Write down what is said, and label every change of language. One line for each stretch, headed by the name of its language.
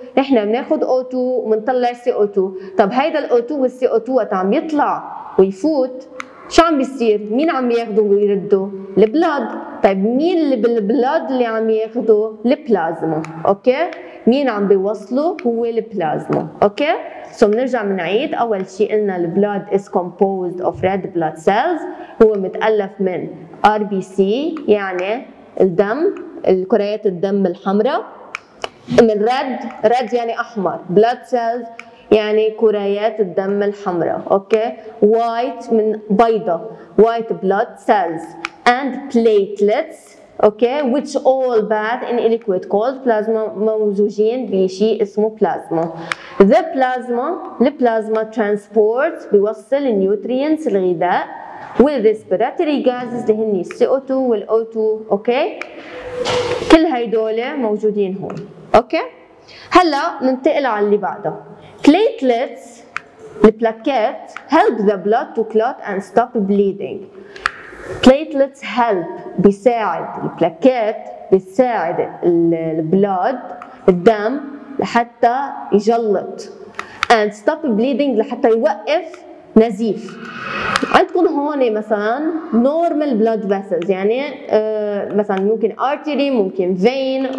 Arabic: احنا بناخد O2 ومنطلع CO2. طب هيدا الO2 والCO2 وقت عم يطلع ويفوت شو عم بيصير؟ مين عم ياخده ويرده؟ البلاد. طيب مين اللي بالبلاد اللي عم ياخده؟ البلازما. اوكي؟ مين عم بيوصله؟ هو البلازما. اوكي؟ سو بنرجع بنعيد. اول شيء قلنا البلاد
English: is composed of red blood cells.
Arabic: هو متالف من RBC يعني الدم، الكريات الدم الحمراء، من red يعني احمر، blood cells يعني كريات الدم الحمراء.
English: Okay? white
Arabic: من بيضة،
English: white blood cells and platelets. Okay? which all bath in liquid called plasma،
Arabic: ممزوجين بشيء اسمه بلازما. The plasma، البلازما transport، بيوصل النيوترينتس الغذاء، والريسبيراتوري جازز اللي هن CO2 والO2. اوكي؟ كل هيدول موجودين هون. اوكي؟ هلا ننتقل على اللي بعده.
English: Platelets، البلاكيت، help the blood to clot and stop bleeding.
Arabic: Platelets help، بيساعد البلاكيت، بيساعد البلود الدم لحتى يجلط،
English: and stop bleeding
Arabic: لحتى يوقف نزيف. عندكم هون مثلا
English: normal blood vessels،
Arabic: يعني مثلا ممكن artery، ممكن vein.